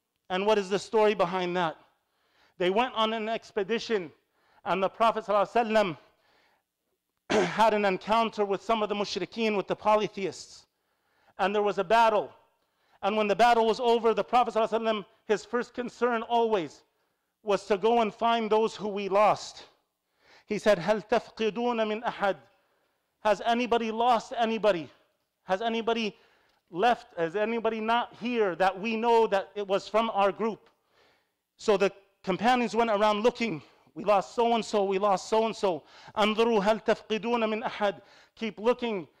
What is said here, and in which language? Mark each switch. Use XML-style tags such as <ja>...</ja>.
<en>And what is the story behind that? They went on an expedition and the Prophet sallallahu alaihi wasallam had an encounter with some of the mushrikeen, with the polytheists. And there was a battle. And when the battle was over, the Prophet sallallahu alaihi wasallam, his first concern always was to go and find those who we lost. He said,</en> <ar>هَلْ تَفْقِدُونَ مِنْ أَحَدْ.</ar> <en>Has anybody lost anybody? Has anybody left? Is anybody not here that we know that it was from our group? So the companions went around looking. We lost so-and-so, we lost so-and-so.</en> <ar>أَنْظُرُوا هَلْ تَفْقِدُونَ مِنْ أَحَدْ.</ar> <en>Keep looking.</en>